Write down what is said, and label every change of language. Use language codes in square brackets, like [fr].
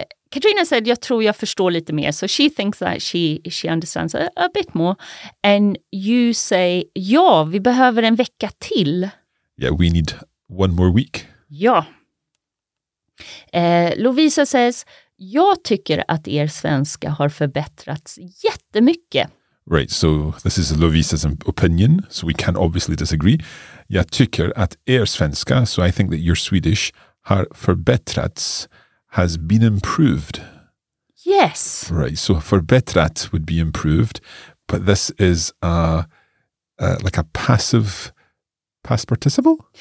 [sv] Katrina said, jag tror jag förstår lite mer. [en] So she thinks that she understands a bit more. And you say, [sv] ja, vi behöver en vecka till. [en] Yeah, we need one more week. [sv] Ja. Lovisa says, jag tycker att er svenska har förbättrats jättemycket. [en] Right, so this is Lovisa's opinion, so we can obviously disagree. [sv] Jag tycker att er svenska, [en] so I think that your Swedish, [sv] har förbättrats, [en] has been improved. Yes. Right, so förbättrat would be improved, but this is like a passive past participle?